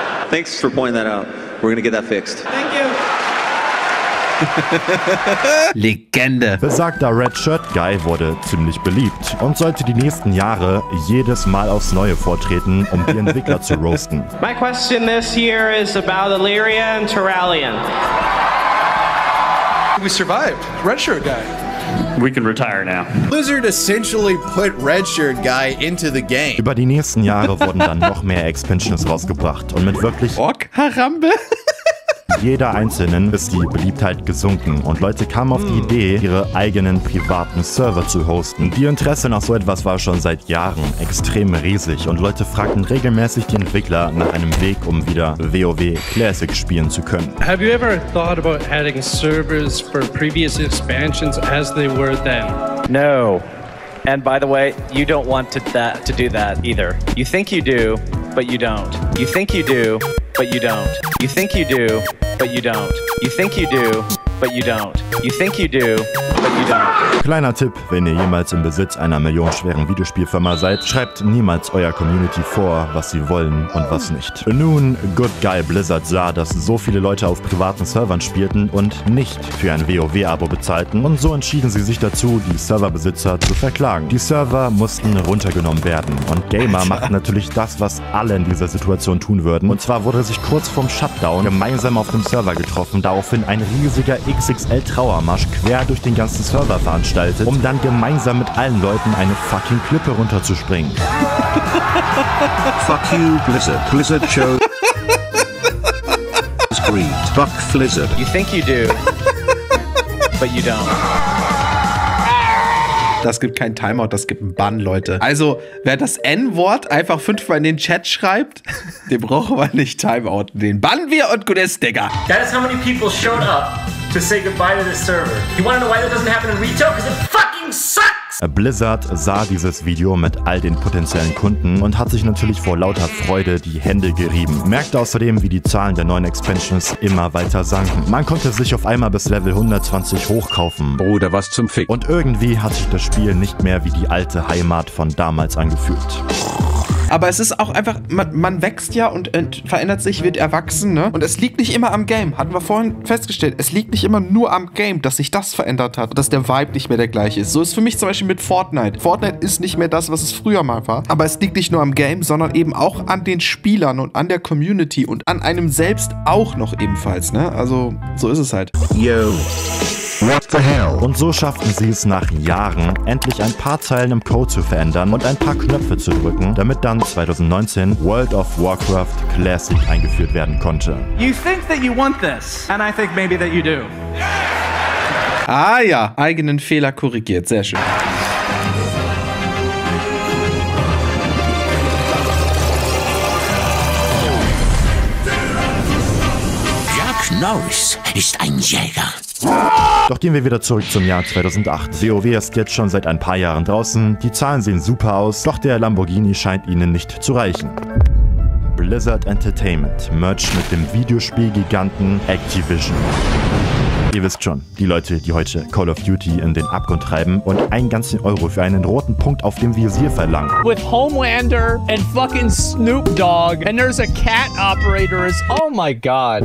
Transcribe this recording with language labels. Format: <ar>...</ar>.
<en>Thanks for pointing that out. We're gonna get that fixed. Thank you.</en> <de>Legende. Besagter Red Shirt Guy wurde ziemlich beliebt und sollte die nächsten Jahre jedes Mal aufs Neue vortreten, um die Entwickler zu roasten.</de> <en>My question this year is about Illyria and Terrallian. We survived. Redshirt Guy. We can retire now. Blizzard essentially put Redshirt Guy into the game.</en> <de>Über die nächsten Jahre wurden dann noch mehr Expansions rausgebracht und mit wirklich Ork Harambe. Jeder einzelnen ist die Beliebtheit gesunken und Leute kamen auf die Idee, ihre eigenen privaten Server zu hosten. Die Interesse nach so etwas war schon seit Jahren extrem riesig und Leute fragten regelmäßig die Entwickler nach einem Weg, um wieder WoW Classic spielen zu können.</de> <en>Have you ever thought about adding servers for previous expansions as they were then? No. And by the way, you don't want to do that either. You think you do, but you don't. You think you do. But you don't. You think you do, but you don't. You think you do, but you don't. You think you do, but you don't.</en> <de>Kleiner Tipp, wenn ihr jemals im Besitz einer millionenschweren Videospielfirma seid, schreibt niemals eurer Community vor, was sie wollen und was nicht. Nun, Good Guy Blizzard sah, dass so viele Leute auf privaten Servern spielten und nicht für ein WoW-Abo bezahlten, und so entschieden sie sich dazu, die Serverbesitzer zu verklagen. Die Server mussten runtergenommen werden, und Gamer machten natürlich das, was alle in dieser Situation tun würden. Und zwar wurde sich kurz vorm Shutdown gemeinsam auf dem Server getroffen, daraufhin ein riesiger XXL-Trauermarsch quer durch den ganzen Server veranstaltet, um dann gemeinsam mit allen Leuten eine fucking Klippe runterzuspringen.</de> <en>Fuck you, Blizzard. Blizzard show. Greed. Fuck Blizzard. You think you do, but you don't.</en> <de>Das gibt kein Timeout, das gibt einen Bann, Leute. Also, wer das N-Wort einfach fünfmal in den Chat schreibt, den brauchen wir nicht Timeout. Den bannen wir und gut ist, Digga.</de> <en>That is how many people showed up to say goodbye to this server. You want to know why that doesn't happen in retail? Because it fucking sucks!</en> <de>Blizzard sah dieses Video mit all den potenziellen Kunden und hat sich natürlich vor lauter Freude die Hände gerieben. Merkte außerdem, wie die Zahlen der neuen Expansions immer weiter sanken. Man konnte sich auf einmal bis Level 120 hochkaufen. Bruder, was zum Fick? Und irgendwie hat sich das Spiel nicht mehr wie die alte Heimat von damals angefühlt. Aber es ist auch einfach, man wächst ja und verändert sich, wird erwachsen, ne? Und es liegt nicht immer am Game, hatten wir vorhin festgestellt. Es liegt nicht immer nur am Game, dass sich das verändert hat und dass der Vibe nicht mehr der gleiche ist. So ist für mich zum Beispiel mit Fortnite. Fortnite ist nicht mehr das, was es früher mal war. Aber es liegt nicht nur am Game, sondern eben auch an den Spielern und an der Community und an einem selbst auch noch ebenfalls, ne? Also, so ist es halt.</de> <en>Yo. What the hell?</en> <de>Und so schafften sie es nach Jahren, endlich ein paar Zeilen im Code zu verändern und ein paar Knöpfe zu drücken, damit dann 2019 World of Warcraft Classic eingeführt werden konnte.</de> <en>You think that you want this, and I think maybe that you do.</en> <de>Ah ja, eigenen Fehler korrigiert, sehr schön. Jack Norris ist ein Jäger. Doch gehen wir wieder zurück zum Jahr 2008. WoW ist jetzt schon seit ein paar Jahren draußen, die Zahlen sehen super aus, doch der Lamborghini scheint ihnen nicht zu reichen. Blizzard Entertainment merged mit dem Videospielgiganten Activision. Ihr wisst schon, die Leute, die heute Call of Duty in den Abgrund treiben und einen ganzen Euro für einen roten Punkt auf dem Visier verlangen.</de> <en>With Homelander and fucking Snoop Dogg and there's a cat operator is, oh my god.</en>